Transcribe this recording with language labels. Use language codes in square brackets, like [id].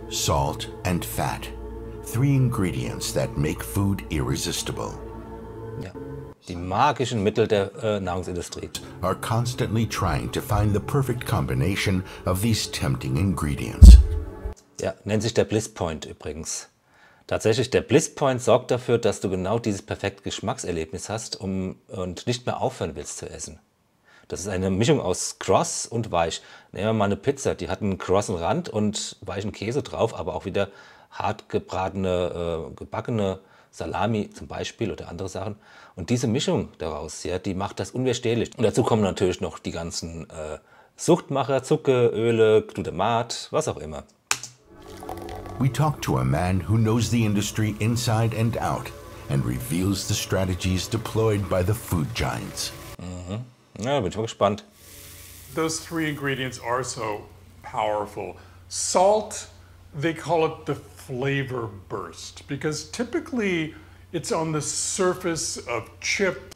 [en] Salt and fat. Three ingredients that make food irresistible. [de] Ja. Die magischen Mittel der Nahrungsindustrie. [en] Are constantly trying to find the perfect combination of these tempting ingredients. [de] Ja, nennt sich der Bliss Point übrigens. Tatsächlich, der Bliss Point sorgt dafür, dass du genau dieses perfekte Geschmackserlebnis hast und nicht mehr aufhören willst zu essen. Das ist eine Mischung aus Cross und Weich. Nehmen wir mal eine Pizza, die hat einen crossen Rand und weichen Käse drauf, aber auch wieder hart gebratene, gebackene Salami zum Beispiel oder andere Sachen. Und diese Mischung daraus, ja, die macht das unwiderstehlich. Und dazu kommen natürlich noch die ganzen Suchtmacher, Zucker, Öle, Glutamat, was auch immer. [en] We talk to a man who knows the industry inside and out and reveals the strategies deployed by the food giants. [de] Ja, bin ich mal gespannt. [en] Those three ingredients are so powerful. Salt, they call it the flavor burst, because typically it's on the surface of chips,